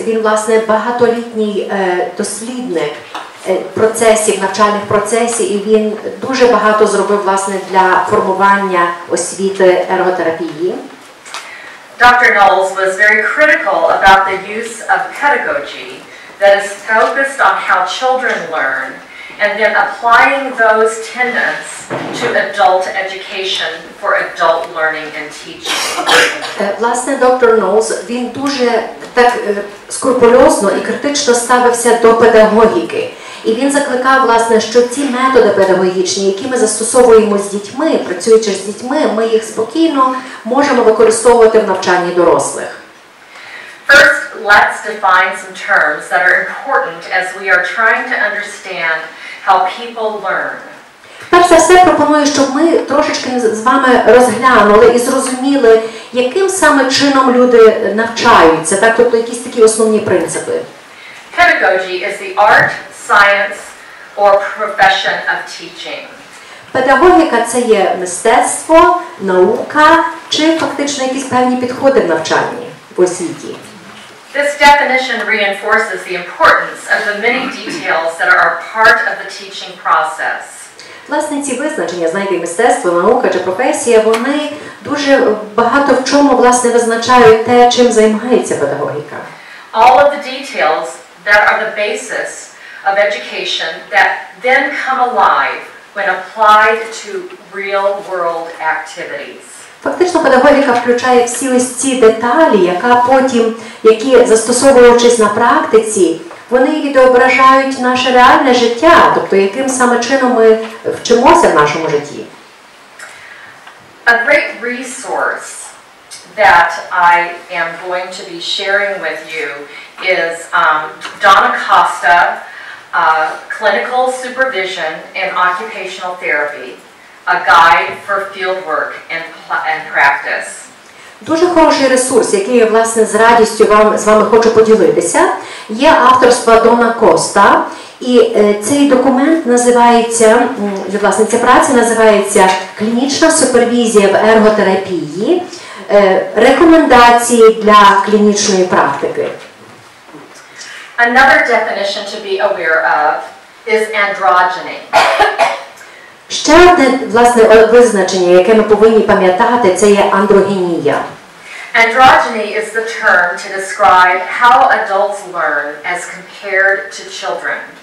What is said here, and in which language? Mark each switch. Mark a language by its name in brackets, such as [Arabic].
[Ukrainian] він, власне, багатолітній дослідник процесів, навчальних процесів, і він дуже багато зробив, власне, для формування освіти ерготерапії. [English] Dr. Knowles was very critical about the use of pedagogy that is focused on how children learn and then applying those tenets to adult education for adult learning and teaching. [Ukrainian] Власне, доктор Ноулс, він дуже так скрупульозно і критично ставився до педагогіки. І він закликав, власне, що ці методи педагогічні, які ми застосовуємо з дітьми, працюючи з дітьми, ми їх спокійно можемо використовувати в навчанні дорослих. [English] First, let's define some terms that are important as we are trying to understand how people learn. [Ukrainian] Перш за все, пропоную, щоб ми трошечки з вами розглянули і зрозуміли, яким саме чином люди навчаються, так? Тобто якісь такі основні принципи. [English] Pedagogy is the art, science or profession of teaching. [Ukrainian] Педагогіка – це є мистецтво, наука чи фактично якісь певні підходи в навчанні, в освіті. [English] This definition reinforces the importance of the many details that are part of the teaching process. [Ukrainian] Власне, ці визначення, знаєте, мистецтво, наука чи професія, вони дуже багато в чому, власне, визначають те, чим займається педагогіка. [English] All of the details that are the basis of education that then come alive when applied to real world activities. [Ukrainian] Фактично, педагогіка включає всі ось ці деталі, які, застосовуючись на практиці, вони відображають наше реальне життя, тобто яким саме чином ми вчимося в нашому житті. [English] A great resource that I am going to be sharing with you is Donna Costa, Clinical Supervision and Occupational Therapy, A Guide for Fieldwork and Practice. [Ukrainian] Дуже хороший ресурс, який я, власне, з радістю вам з вами хочу поділитися, є авторство Дона Коста, і цей документ називається, власне, ця праця називається «Клінічна супервізія в ерготерапії. Рекомендації для клінічної практики». [English] Another definition to be aware of is androgyny. [Ukrainian] Ще одне, власне, визначення, яке ми повинні пам'ятати, це є андрогенія. [English] Androgyny is the term to describe how adults learn as compared to children.